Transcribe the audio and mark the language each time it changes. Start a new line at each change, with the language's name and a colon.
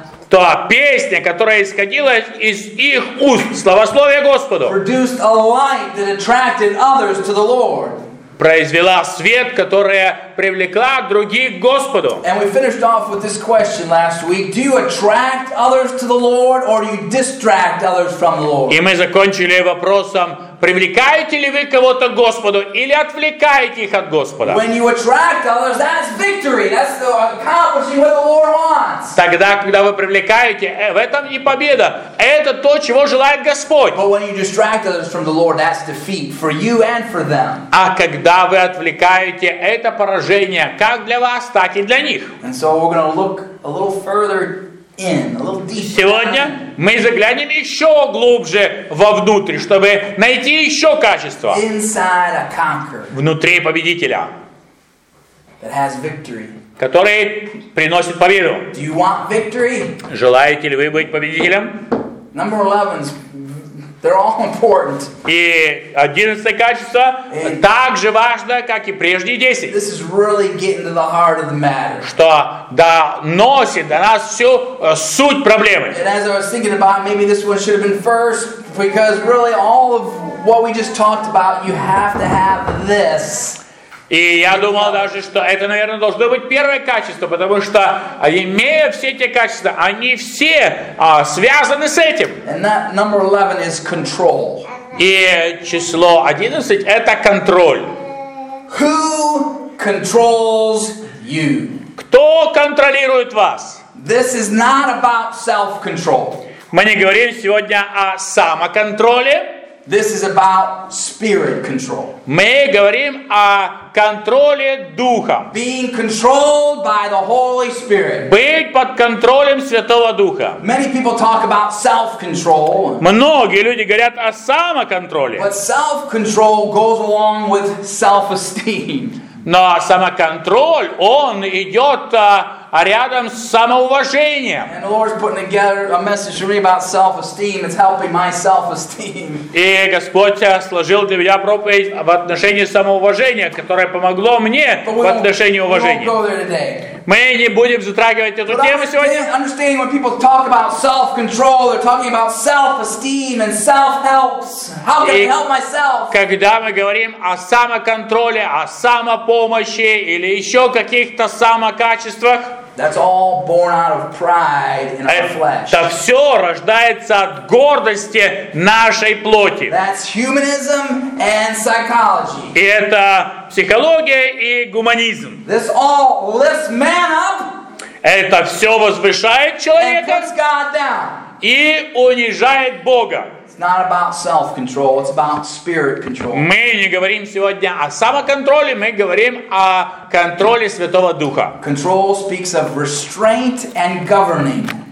Russian: То песня, которая исходила из их уст, славословие Господу,
English: produced a light that attracted others to the Lord.
Russian: Произвела свет, которая привлекла других к Господу.
English: And we finished off with this question last week. Do you attract others to the Lord or do you distract others from the Lord?
Russian: И мы закончили вопросом: привлекаете ли вы кого-то к Господу или отвлекаете их от Господа?
English: When you attract others, that's victory. That's the accomplishing what the Lord wants.
Russian: Тогда, когда вы привлекаете, в этом и победа. Это то, чего желает Господь.
English: But when you distract others from the Lord, that's defeat for you and for them.
Russian: А когда вы отвлекаете, это поражение как для вас, так и для них.
English: And so we're going to look a little further in, a little deeper.
Russian: Сегодня мы заглянем еще глубже вовнутрь, чтобы найти еще качество
English: inside a conqueror,
Russian: внутри победителя,
English: that has victory,
Russian: который приносит победу.
English: Do you want victory?
Russian: Желаете ли вы быть победителем?
English: Number 11's, they're all important.
Russian: И 11 качество так же важно, как и прежние 10.
English: This is really getting to the heart of the matter.
Russian: Что доносит до нас всю суть проблемы.
English: And as I was thinking about, maybe this one should have been first, because really all of what we just talked about, you have to have this.
Russian: И я думал даже, что это, наверное, должно быть первое качество, потому что, имея все эти качества, они все связаны с этим.
English: And that number 11 is control.
Russian: И число 11 — это контроль.
English: Who controls you?
Russian: Кто контролирует вас?
English: This is not about self-control.
Russian: Мы не говорим сегодня о самоконтроле.
English: This is about spirit control.
Russian: Мы говорим о контроле духа.
English: Being controlled by the Holy Spirit.
Russian: Быть под контролем Святого Духа.
English: Many people talk about self-control.
Russian: Многие люди говорят о самоконтроле.
English: But self-control goes along with self-esteem.
Russian: Но самоконтроль, он идет рядом с самоуважением.
English: And the Lord's putting together a message for me about self-esteem. It's helping my self-esteem.
Russian: И Господь сложил для меня проповедь в отношении самоуважения, которое помогло мне в отношении уважения.
English: But we won't go there today.
Russian: Мы не будем затрагивать эту тему сегодня.
English: But understanding when people talk about self-control, they're talking about self-esteem and self-helps. How can I help myself?
Russian: Когда мы говорим о самоконтроле, о самопомощи или еще каких-то самокачествах,
English: that's all born out of pride in our flesh.
Russian: Это все рождается от гордости нашей плоти.
English: That's humanism and psychology.
Russian: И это психология и гуманизм.
English: This all lifts man up.
Russian: Это все возвышает человека.
English: And puts God down.
Russian: И унижает Бога.
English: It's not about self-control. It's about spirit control.
Russian: Мы не говорим сегодня о самоконтроле, мы говорим о контроле Святого Духа.
English: Control speaks of restraint and governing.